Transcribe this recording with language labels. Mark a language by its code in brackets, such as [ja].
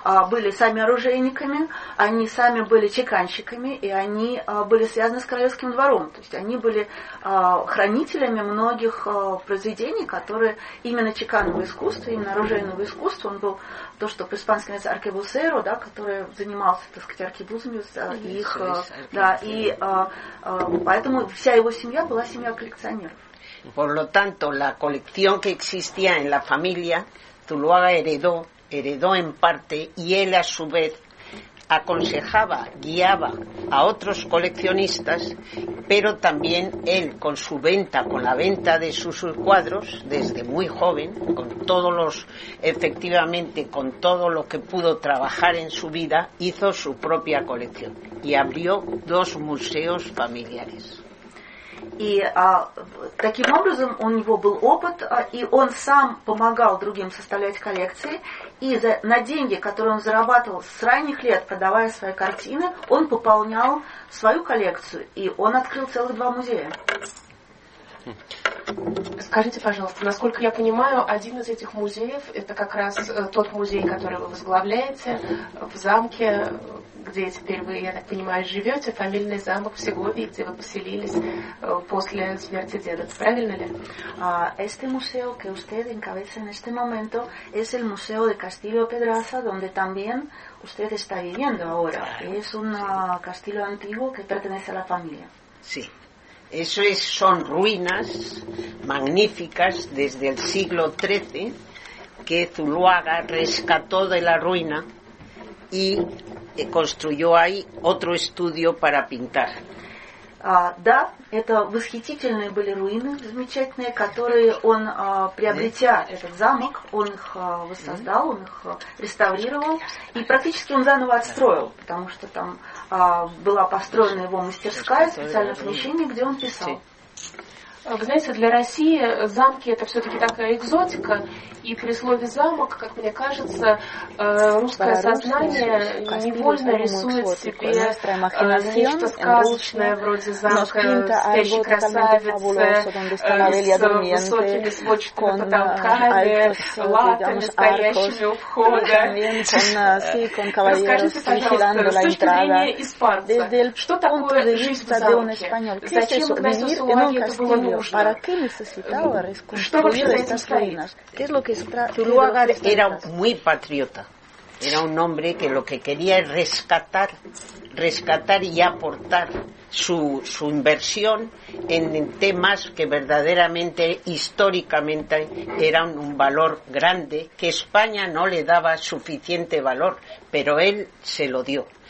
[ru] были сами оружейниками, они сами были чеканщиками, и они были связаны с королевским двором, то есть они были хранителями многих произведений, которые именно чеканного искусства, именно оружейного искусства, он был то, что по-испански называется аркебусеро, да, который занимался, так сказать, аркебузами, их, да, и поэтому вся его семья была семья коллекционеров. [es] Por lo tanto, la colección que existía en la familia, Zuluaga heredó en parte, y él a su vez aconsejaba, guiaba a otros coleccionistas, pero también él con su venta, con la venta de sus cuadros, desde muy joven, con todo lo que pudo trabajar en su vida, hizo su propia colección y abrió dos museos familiares. [ru] И таким образом у него был опыт, и он сам помогал другим составлять коллекции, и на деньги, которые он зарабатывал с ранних лет, продавая свои картины, он пополнял свою коллекцию, и он открыл целых два музея. Скажите, пожалуйста, насколько я понимаю, один из этих музеев, это как раз тот музей, который вы возглавляете в замке, где теперь вы, я так понимаю, живете, фамильный замок в Сеговии, где вы поселились после смерти деда. Правильно ли? [es] Este museo que usted encabeza en este momento es el Museo de Castillo Pedraza, donde también usted está viviendo ahora. Es un castillo antiguo que pertenece a la familia. Sí. Eso es, son ruinas magníficas desde el siglo XIII que Zuluaga rescató de la ruina y construyó ahí otro estudio para pintar. [ru] Да, это восхитительные были руины, замечательные, которые он, приобретя этот замок, он их воссоздал, он их реставрировал, и практически он заново отстроил, потому что там была построена его мастерская, специальное помещение, где он писал. Вы знаете, для России замки – это все-таки такая экзотика, и при слове «замок», как мне кажется, русское сознание невольно рисует себе нечто сказочное, вроде замка, спящей красавицы с высокими сводчатыми потолками, латами, стоящими у входа. Расскажите, пожалуйста, с точки зрения испанца, что такое жизнь в замке? Зачем Гнасиусу Лаге это было нужно? [es] ¿Para qué necesitaba reconstruir estas ruinas? ¿Qué es lo que Zuluaga era muy patriota. Era un hombre que lo que quería es rescatar y aportar su inversión en temas que verdaderamente, históricamente, eran un valor grande, que España no le daba suficiente valor, pero él se lo dio.